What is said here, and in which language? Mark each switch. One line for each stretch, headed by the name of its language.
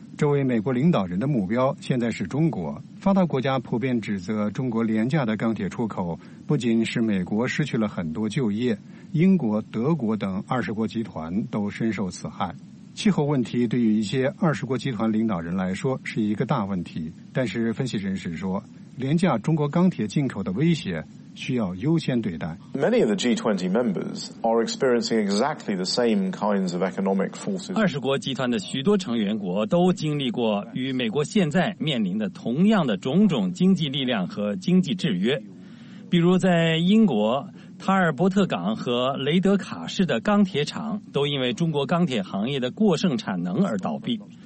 Chinese: 这位美国领导人的目标现在是中国。发达国家普遍指责中国廉价的钢铁出口不仅使美国失去了很多就业，英国、德国等20国集团都深受此害。气候问题对于一些20国集团领导人来说是一个大问题，但是分析人士说，廉价中国钢铁进口的威胁需要优先对待。
English: Many of the G20 members are experiencing exactly the same kinds of economic forces.
Chinese: 20国集团的许多成员国都经历过与美国现在面临的同样的种种经济力量和经济制约。比如在英国，塔尔伯特港和雷德卡市的钢铁厂都因为中国钢铁行业的过剩产能而倒闭。